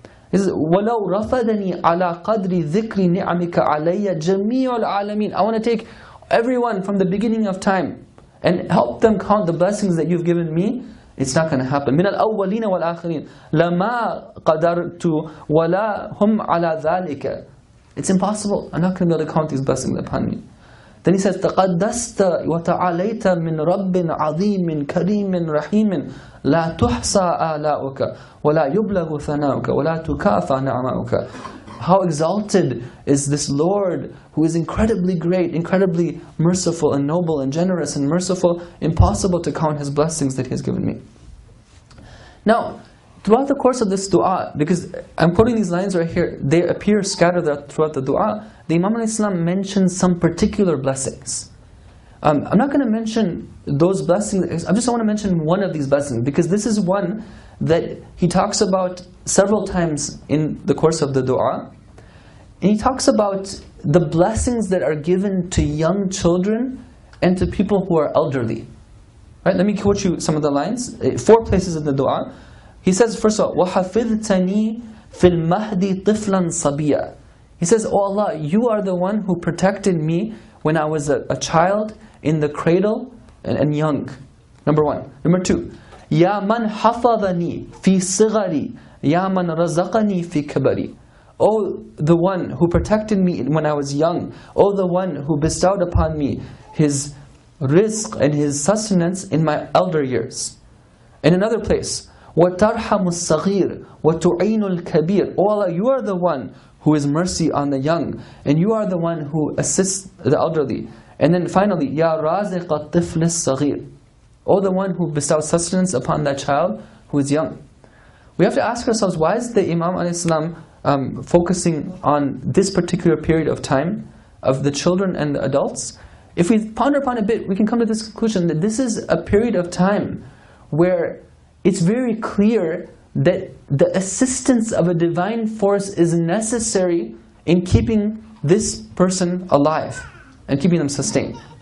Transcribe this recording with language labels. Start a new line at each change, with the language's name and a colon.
English: He says,
Arabic: وَلَوْ رَفَدَنِي عَلَىٰ قَدْرِ ذِكْرِ نِعْمِكَ عَلَيَّ جَمِيعُ الْعَالَمِينَ.
English: I want to take everyone from the beginning of time and help them count the blessings that you've given me. It's not going to happen.
Arabic: مِنَ الْأَوَّلِينَ وَالْآخِرِينَ لَمَا قَدَرْتُ وَلَا هُمْ عَلَىٰ ذَلِكَ.
English: It's impossible. I'm not going to be able to count these blessings upon me. Then he says,
Arabic: تَقَدَّسْتَ وَتَعَلَيْتَ مِنْ رَبٍ عَظِيمٍ كَرِيمٍ رَحِيمٍ لَا تُحْصَى آلَاؤُكَ وَلَا يُبْلَغُ ثَنَاؤُكَ وَلَا تُكَافَى نِعْمَاؤُكَ.
English: How exalted is this Lord who is incredibly great, incredibly merciful and noble and generous and merciful, impossible to count His blessings that He has given me. Now, throughout the course of this dua, because I'm quoting these lines right here, they appear scattered throughout the dua, the Imam al-Islam mentions some particular blessings. I'm not going to mention those blessings. I want to mention one of these blessings, because this is one that he talks about several times in the course of the dua. And he talks about the blessings that are given to young children and to people who are elderly. Right? Let me quote you some of the lines. Four places in the dua. He says, first of all,
Arabic: وَحَفِذْتَنِي فِي الْمَهْدِ طِفْلًا صَبِيًّا.
English: He says, oh Allah, you are the one who protected me when I was a child in the cradle and young. Number one. Number two,
Arabic: يَا مَنْ حَفَظَنِي فِي صِغَرِي يَا مَنْ رَزَقَنِي فِي كَبَرِي.
English: Oh, the one who protected me when I was young. Oh, the one who bestowed upon me his rizq and his sustenance in my elder years. In another place,
Arabic: وَتَرْحَمُ الصَّغِيرُ وَتُعِينُ الْكَبِيرُ.
English: Oh Allah, you are the one who is mercy on the young, and you are the one who assists the elderly. And then finally,
Arabic: يَا رَازِقَ الطِّفْلِ الصَّغِيرُ.
English: Oh, the one who bestows sustenance upon that child who is young. We have to ask ourselves, why is the Imam al-Islam focusing on this particular period of time of the children and the adults? If we ponder upon a bit, we can come to this conclusion that this is a period of time where it's very clear that the assistance of a divine force is necessary in keeping this person alive and keeping them sustained.